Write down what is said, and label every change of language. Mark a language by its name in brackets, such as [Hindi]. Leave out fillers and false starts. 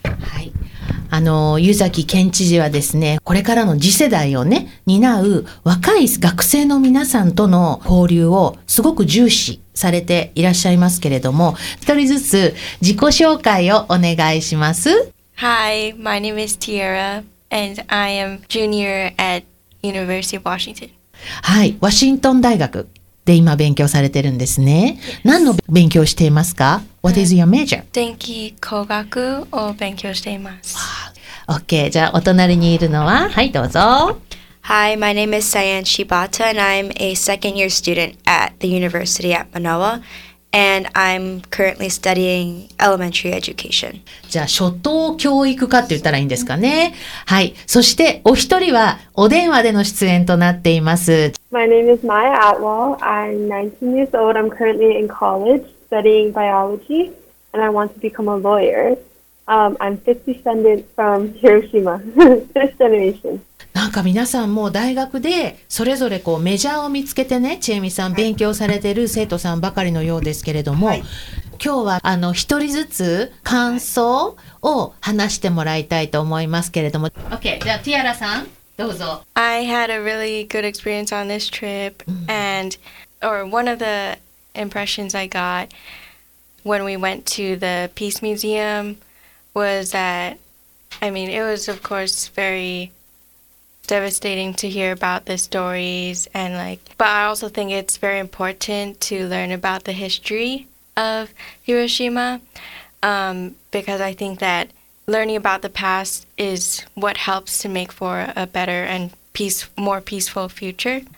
[Japanese] はい、湯崎県知事はですね、これからの次世代をね担う若い学生の皆さんとの交流をすごく重視されていらっしゃいますけれども、一人ずつ自己紹介をお願いします。 [English] Hi, my name is Tiara, and I am junior at University of Washington. [Japanese] はい、ワシントン大学で今勉強されてるんですね。 [English] Yes. [Japanese] 何の勉強していますか ? [English] What is your major? [Japanese] 電気工学を勉強しています。 [English] Wow. [Japanese] OK, じゃあお隣にいるのは、はい、どうぞ。 [English] Hi, my name is Sayan Shibata, and I'm a second year student at the University at Manoa. And I'm currently studying elementary education. [Japanese] じゃあ初等教育かって言ったらいいんですかね。はい。そしてお一人はお電話での出演となっています。 [English] My name is Maya Atwal. I'm 19 years old. I'm currently in college studying biology, and I want to become a lawyer. I'm fifth descendant from Hiroshima, fifth generation. [Japanese] なんか皆さんも大学でそれぞれこうメジャーを見つけてね、ちえみさん勉強されてる生徒さんばかりのようですけれども、はい、今日は一人ずつ感想を話してもらいたいと思いますけれども、はい、OK、じゃあティアラさんどうぞ。 [English] I had a really good experience on this trip and or one of the impressions I got when we went to the Peace Museum was that I mean it was of course veryDevastating to hear about the stories and like, but I also think it's very important to learn about the history of Hiroshima, because I think that learning about the past is what helps to make for a better and more peaceful future.